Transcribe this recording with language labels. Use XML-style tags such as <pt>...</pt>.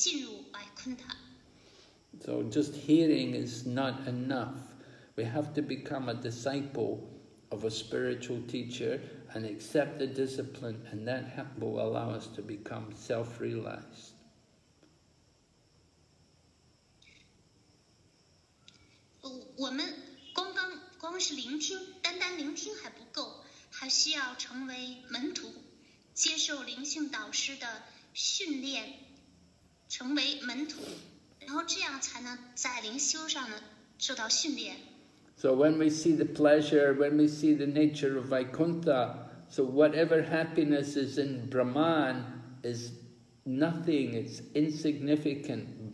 <zh>如果我们想服务主的话，应该得到灵性导师的训示，并且按照灵性导师的教导去修行。这样呢，灵性导师就会推荐我们，逐渐我们得到净化，便能够进入百昆塔。</zh> <en>So just hearing is not enough. We have to become a disciple of a spiritual teacher and accept the discipline, and that will allow us to become self-realized.</en> <zh>我们光是聆听，单单聆听还不够，还需要成为门徒，接受灵性导师的训练，成为门徒，然后这样才能在灵修上呢受到训练。</zh> <en>So when we see the pleasure, when we see the nature of Vaikuntha, so whatever happiness is in Brahman is nothing, it's insignificant.</en>